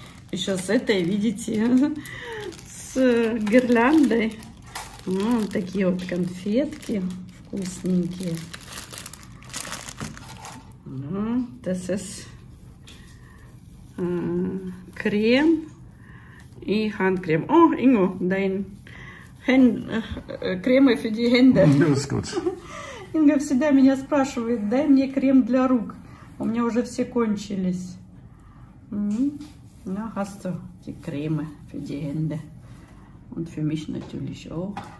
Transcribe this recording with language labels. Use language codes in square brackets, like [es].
[ru] Еще с этой, видите, с гирляндой. Такие вот конфетки вкусненькие. [en] This is [ru] крем и хандкрем. [de] О, Инго, dein Creme für die Hände. [ru] Инго всегда меня спрашивает, дай мне крем для рук. У меня уже все кончились. [de] Ja, hast du die Creme für die Hände. Und für mich natürlich auch.